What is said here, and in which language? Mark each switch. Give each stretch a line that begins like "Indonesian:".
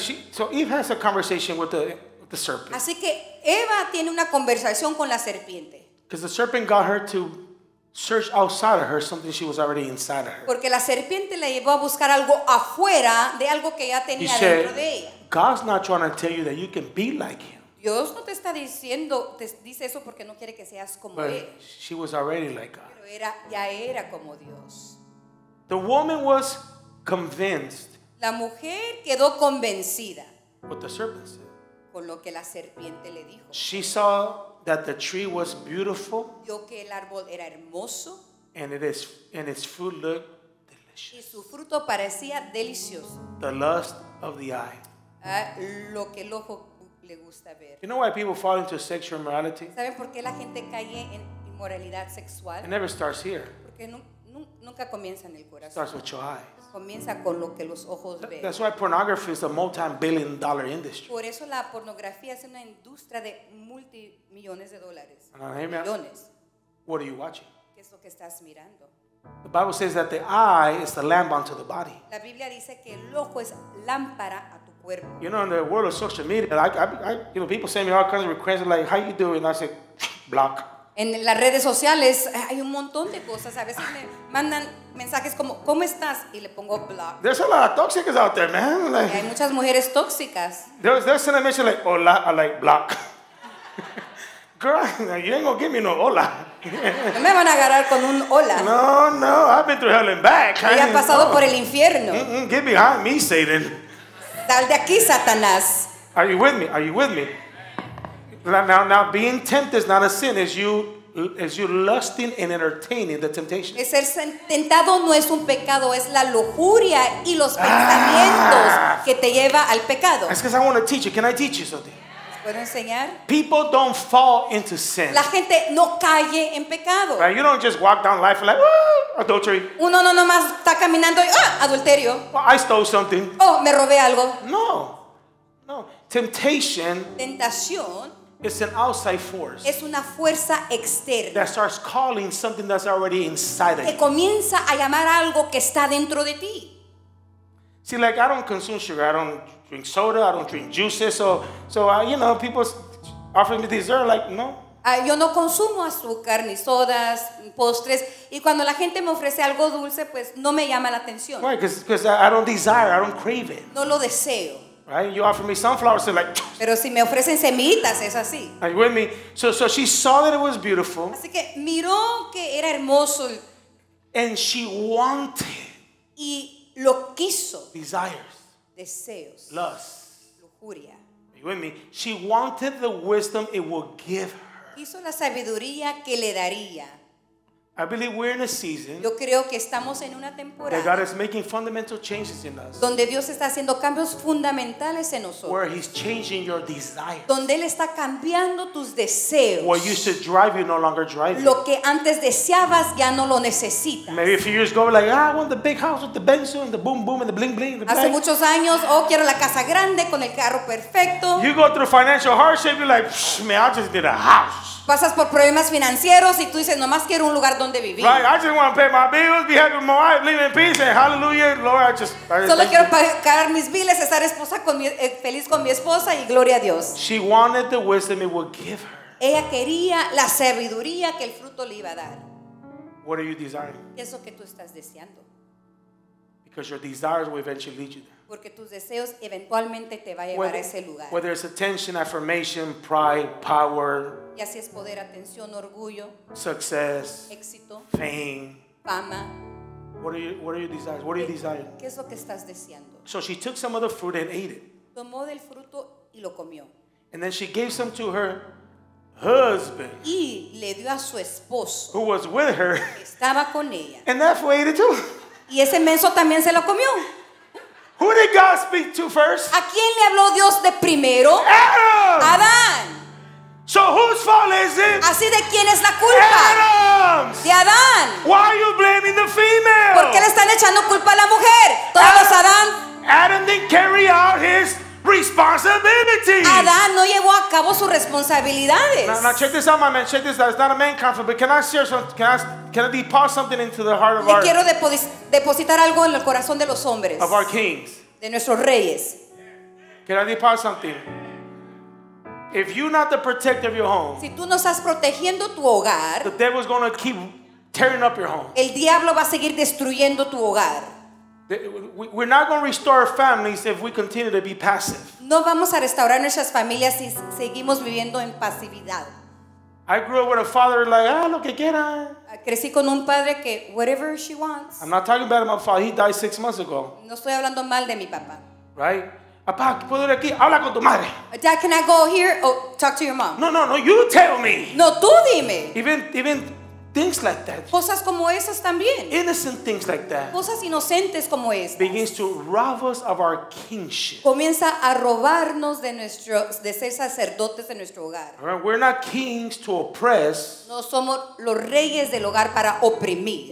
English: So Eve has a conversation with the serpent.
Spanish: Así que Eva tiene una conversación con la serpiente.
English: Because the serpent got her to search outside of her something she was already inside of her.
Spanish: Porque la serpiente la llevó a buscar algo afuera de algo que ya tenía dentro de ella.
English: God's not trying to tell you that you can be like him.
Spanish: Dios no te está diciendo, te dice eso porque no quiere que seas como él.
English: She was already like God.
Spanish: Pero ya era como Dios.
English: The woman was convinced.
Spanish: La mujer quedó convencida.
English: What the serpent said.
Spanish: Con lo que la serpiente le dijo.
English: She saw that the tree was beautiful.
Spanish: Vio que el árbol era hermoso.
English: And its fruit looked delicious.
Spanish: Y su fruto parecía delicioso.
English: The lust of the eye.
Spanish: Lo que el ojo le gusta ver.
English: You know why people fall into sexual immorality?
Spanish: ¿Saben por qué la gente cae en inmoralidad sexual?
English: It never starts here.
Spanish: Porque nunca comienza en el corazón.
English: It starts with your eyes.
Spanish: Comienza con lo que los ojos ven.
English: That's why pornography is a multi-billion dollar industry.
Spanish: Por eso la pornografía es una industria de multimillones de dólares.
English: Millones. What are you watching?
Spanish: ¿Qué es lo que estás mirando?
English: The Bible says that the eye is the lamp unto the body.
Spanish: La Biblia dice que el ojo es lámpara a tu cuerpo.
English: You know, in the world of social media, you know, people send me all kinds of requests like, how you doing? And I say, block.
Spanish: En las redes sociales hay un montón de cosas. A veces me mandan mensajes como ¿cómo estás? Y le pongo block.
English: There's a lot of toxics out there, man. Like,
Spanish: hay muchas mujeres tóxicas.
English: There's an admission like hola, I like block. Girl, you ain't gonna give me no hola.
Spanish: No me van a agarrar con un hola.
English: No, I've been through hell and back.
Spanish: Y ha pasado por el infierno.
English: Get behind me, Satan.
Spanish: Sal de aquí, Satanás.
English: Are you with me? Now, being tempted is not a sin. It's you lusting and entertaining the temptation.
Spanish: Es ser tentado no es un pecado, es la lujuria y los pensamientos que te lleva al pecado.
English: It's because I want to teach you. Can I teach you something?
Spanish: ¿Puedo enseñar?
English: People don't fall into sin.
Spanish: La gente no cae en pecado.
English: Right? You don't just walk down life like, oh, adultery.
Spanish: Uno no nomás está caminando y, adulterio.
English: Well, I stole something.
Spanish: Oh, me robé algo.
English: No. No. Temptation.
Spanish: Tentación.
English: It's an outside force.
Spanish: Es una fuerza externa.
English: That starts calling something that's already inside of you.
Spanish: Que comienza a llamar algo que está dentro de ti.
English: See, like I don't consume sugar, I don't drink soda, I don't drink juices. So people offer me dessert, like no.
Spanish: Yo no consumo azúcar ni sodas ni postres y cuando la gente me ofrece algo dulce, pues no me llama la atención.
English: Right, because I don't desire, I don't crave it.
Spanish: No lo deseo.
English: Right? You offer me sunflowers, they're like.
Spanish: Pero si me ofrecen semillitas, es así.
English: Are you with me? So she saw that it was beautiful.
Spanish: Así que miró que era hermoso.
English: And she wanted.
Spanish: Y lo quiso.
English: Desires.
Spanish: Deseos.
English: Lust.
Spanish: Lujuria.
English: Are you with me? She wanted the wisdom it would give her.
Spanish: Quiso la sabiduría que le daría.
English: I believe we're in a season.
Spanish: Yo creo que estamos en una temporada.
English: That God is making fundamental changes in us.
Spanish: Donde Dios está haciendo cambios fundamentales en nosotros.
English: Where He's changing your desires.
Spanish: Donde él está cambiando tus deseos.
English: What used to drive you no longer drives.
Spanish: Lo que antes deseabas ya no lo necesitas.
English: Maybe a few years ago, like, I want the big house with the Benz and the boom boom and the bling bling.
Spanish: Hace muchos años, oh, quiero la casa grande con el carro perfecto.
English: You go through financial hardship, you're like, man, I just need a house.
Spanish: Pasas por problemas financieros y tú dices, nomás quiero un lugar donde vivir.
English: Right, I just want to pay my bills, be happy with my wife, live in peace, and hallelujah, Lord, I just
Spanish: solo quiero pagar mis biles, estar esposa con mi, feliz con mi esposa y gloria a Dios.
English: She wanted the wisdom it would give her.
Spanish: Ella quería la sabiduría que el fruto le iba a dar.
English: What are you desiring?
Spanish: Eso que tú estás deseando.
English: Because your desires will eventually lead you there.
Spanish: Porque tus deseos eventualmente te va a llevar a ese lugar.
English: Whether it's attention, affirmation, pride, power,
Spanish: ya si es poder, atención, orgullo,
English: success,
Spanish: éxito,
English: fame,
Spanish: fama.
English: What are you desiring?
Spanish: ¿Qué es lo que estás deseando?
English: So she took some of the fruit and ate it.
Spanish: Tomó del fruto y lo comió.
English: And then she gave some to her husband.
Spanish: Y le dio a su esposo.
English: Who was with her.
Spanish: Estaba con ella.
English: And that fue ate it too.
Spanish: Y ese menso también se lo comió.
English: Who did God speak to first?
Spanish: ¿A quién le habló Dios de primero?
English: Adam.
Spanish: Adán.
English: So whose fault is it?
Spanish: Así de quién es la culpa?
English: Adam's.
Spanish: De Adán.
English: Why are you blaming the female?
Spanish: ¿Por qué le están echando culpa a la mujer? Todos Adam, los Adán.
English: Adam didn't carry out his responsibilities.
Spanish: Adán no llevó a cabo sus responsabilidades.
English: Now check this out, my man. Check this out. It's not a man conflict, but can I share something? Can I deposit something into the heart of
Spanish: Le quiero depositar algo en el corazón de los hombres.
English: Of our kings.
Spanish: De nuestros reyes.
English: Can I deposit something? If you're not the protector of your home,
Spanish: si tú no estás protegiendo tu hogar,
English: the devil's going to keep tearing up your home.
Spanish: El diablo va a seguir destruyendo tu hogar.
English: We're not going to restore families if we continue to be passive.
Spanish: No vamos a restaurar nuestras familias si seguimos viviendo en pasividad.
English: I grew up with a father like,
Spanish: lo que quiera. Crecí con un padre que
English: whatever she wants. I'm not talking bad about my father. He died 6 months ago.
Spanish: No estoy hablando mal de mi papá.
English: Right?
Spanish: Papá, ¿puedo ir aquí? Habla con tu madre.
English: Dad, can I go here? Oh, talk to your mom. No, you tell me.
Spanish: No, tú dime.
English: Even things like that.
Spanish: Cosas como esas también.
English: Innocent things like that.
Spanish: Cosas inocentes como esas.
English: Begins to rob us of our kingship.
Spanish: Comienza a robarnos de ser sacerdotes de nuestro hogar.
English: Right, we're not kings to oppress.
Spanish: No somos los reyes del hogar para oprimir.